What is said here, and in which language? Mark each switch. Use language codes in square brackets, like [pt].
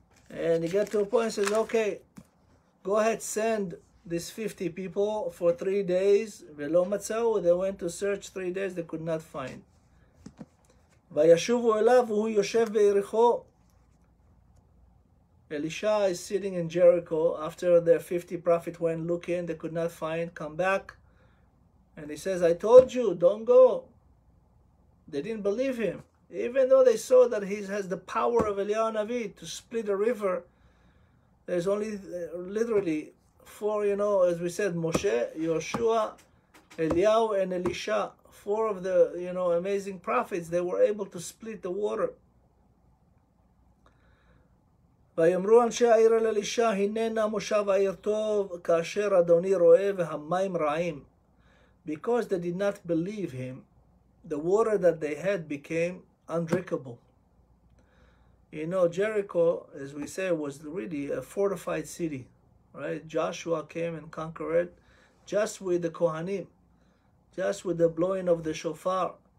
[en] And he got to a point and says, okay, go ahead, send these 50 people for 3 days, [he] ולא מצאו, [en] they went to search 3 days, they could not find. [he] וישובו אליו, והוא יושב ביריחו. [en] Elisha is sitting in Jericho, after the 50 prophet went looking, they could not find, come back. And he says, I told you, don't go. They didn't believe him. Even though they saw that he has the power of Eliyahu Navi to split a river, there's only literally four, you know, as we said, Moshe, Yoshua, Eliyahu, and Elisha, four of the, you know, amazing prophets, they were able to split the water. [he] ויאמרו אנשי העיר אל אלישה, הננה מושב העיר טוב, כאשר אדוני רואה והמים רעים. [en] Because they did not believe him, the water that they had became undrinkable. You know, Jericho, as we say, was really a fortified city. Right, Joshua came and conquered it just with the Kohanim, just with the blowing of the shofar.